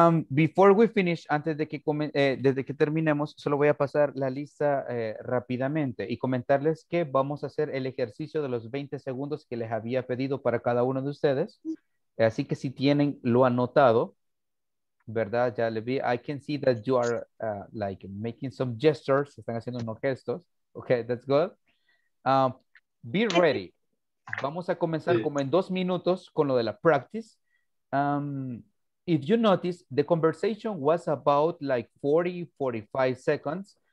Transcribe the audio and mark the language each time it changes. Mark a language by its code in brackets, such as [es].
[en] Before we finish, [es] antes de que desde que terminemos, solo voy a pasar la lista rápidamente y comentarles que vamos a hacer el ejercicio de los 20 segundos que les había pedido para cada uno de ustedes. Así que si tienen lo anotado, ¿verdad? Ya le vi. [en] I can see that you are like making some gestures. [es] Están haciendo unos gestos. [en] Okay, that's good. Be ready. [es] Vamos a comenzar como en 2 minutos con lo de la practice. [en] If you notice, the conversation was about like 40, 45 seconds.